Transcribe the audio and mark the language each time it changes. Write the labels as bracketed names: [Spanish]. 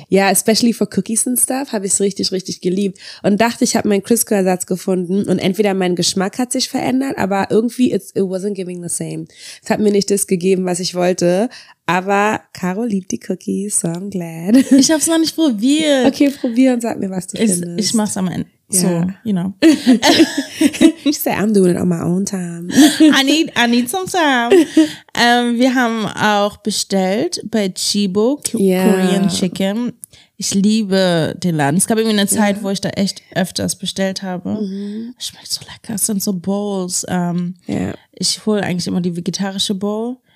[German] Ja, [English] especially for cookies and stuff, [German] habe ich es richtig, richtig geliebt. Und dachte, ich habe meinen Crisco-Ersatz gefunden und entweder mein Geschmack hat sich verändert, aber irgendwie [English] it wasn't giving the same. [German] Es hat mir nicht das gegeben, was ich wollte. Aber Caro liebt die Cookies, [English] so I'm glad. [German] Ich habe es noch nicht probiert. Okay, probier und sag mir, was du findest. Ich mach's am Ende. [English] So, you know. She said, I'm doing it on my own time. I need some time. [German] Wir haben auch bestellt bei Chibo, Korean Chicken. Ich liebe den Laden. Es gab irgendwie eine Zeit, wo ich da echt öfters bestellt habe. Mhm. Schmeckt so lecker. Es sind so Bowls. Ich hole eigentlich immer die vegetarische Bowl.